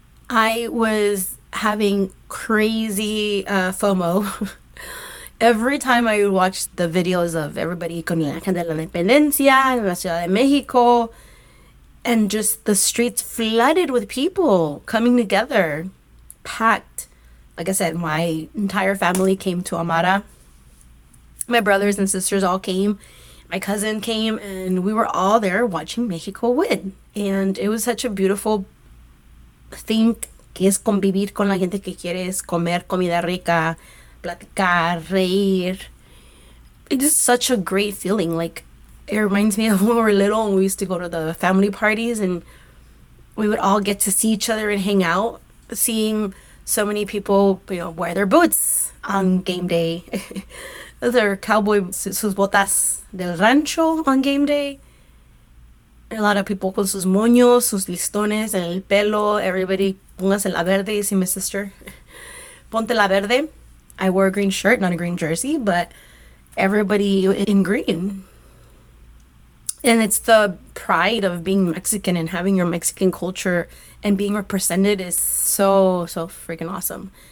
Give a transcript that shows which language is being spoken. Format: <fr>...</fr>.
<en>I was having crazy FOMO every time I watch the videos of everybody</en> <es>con la gente de la independencia en la Ciudad de Mexico,</es> <en>and just the streets flooded with people coming together, packed. Like I said, my entire family came to Amara. My brothers and sisters all came. My cousin came, and we were all there watching Mexico win. And it was such a beautiful thing.</en> <es>Que es convivir con la gente que quieres, comer comida rica, platicar, reír.</es> <en>It is such a great feeling. Like, it reminds me of when we were little and we used to go to the family parties and we would all get to see each other and hang out, seeing so many people, you know, wear their boots on game day. Their cowboy</en> <es>sus botas del rancho</es> <en>on game day. A lot of people</en> <es>con sus moños, sus listones, el pelo,</es> <en>everybody</en> <es>Póngase la verde,</es> <en>you see my sister.</en> <es>Ponte la verde.</es> <en>I wore a green shirt, not a green jersey, but everybody in green. And it's the pride of being Mexican and having your Mexican culture and being represented is so, so freaking awesome.</en>